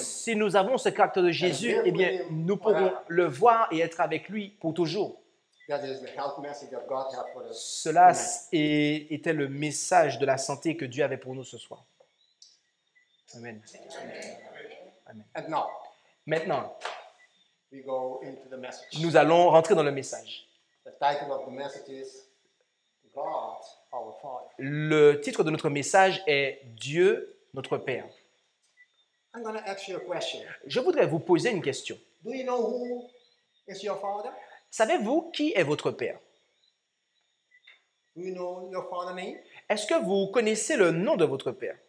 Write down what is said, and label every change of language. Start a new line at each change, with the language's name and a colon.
French: si nous avons ce caractère de Jésus, eh bien, nous pourrons le voir et être avec lui pour toujours.
English: That is the health message that God had for us.
French: Cela était le message de la santé que Dieu avait pour nous ce soir.
English: Amen. Amen. And now,
French: maintenant,
English: we go into the message.
French: Nous allons rentrer dans le message.
English: The title of the message is God, our Father.
French: Le titre de notre message est Dieu, notre Père.
English: I'm going to ask you a question.
French: Je voudrais vous poser une question.
English: Do you know who is your father?
French: Savez-vous qui est votre père?
English: Do you know your father's name?
French: Est-ce que vous connaissez le nom de votre père?